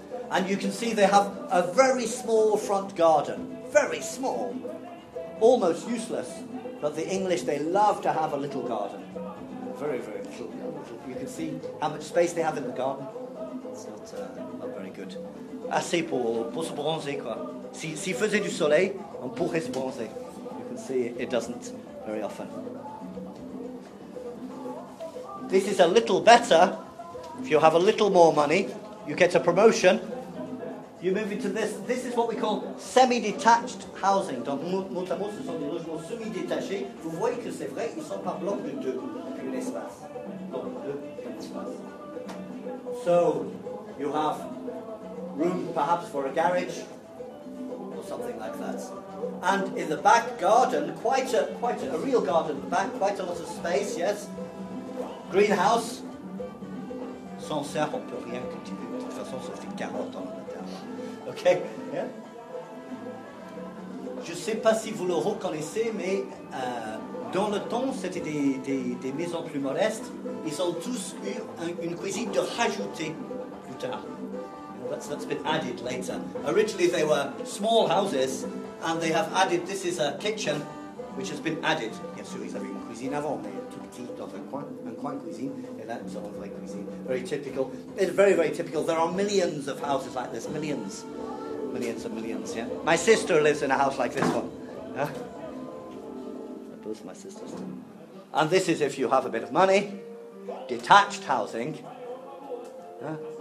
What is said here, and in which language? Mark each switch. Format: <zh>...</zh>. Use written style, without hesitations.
<en>And you can see they have a very small front garden, very small, almost useless. But the English, they love to have a little garden. Very, very little. You can see how much space they have in the garden. It's not very good.</en> <fr>Assez pour se bronzer, quoi. Si faisait du soleil, on pourrait se bronzer.</fr> <en>You can see it doesn't very often. This is a little better. If you have a little more money, you get a promotion. You move into this. This is what we call semi-detached housing.</en> <fr>Donc, mot à mot, ce sont des logements semi-détachés. Vous voyez que c'est vrai, ils sont par bloc de deux, puis un espace. Donc, deux, un espace.</fr> <en>So, you have room, perhaps, for a garage, or something like that. And in the back garden, quite a real garden in the back, quite a lot of space, yes. Greenhouse.</en> <fr>Sans serre, on peut rien cultiver. De toute façon, ça fait 40 ans. Okay. Je ne sais pas si vous le reconnaissez, mais dans le temps, c'était des maisons plus modestes. Ils ont tous eu une cuisine de rajouter plus tard.</fr> <en>That's been added later. Originally, they were small houses, and they have added, this is a kitchen, which has been added.</en> <fr>Bien sûr, ils avaient une cuisine avant, mais tout petit dans un coin cuisine, et là, ils ont une cuisine.</fr> <en>Very typical. It's very, very typical. There are millions of houses like this, millions. Millions and millions, yeah. My sister lives in a house like this one. Yeah. Both my sisters. And this is if you have a bit of money. Detached housing. Yeah.</en>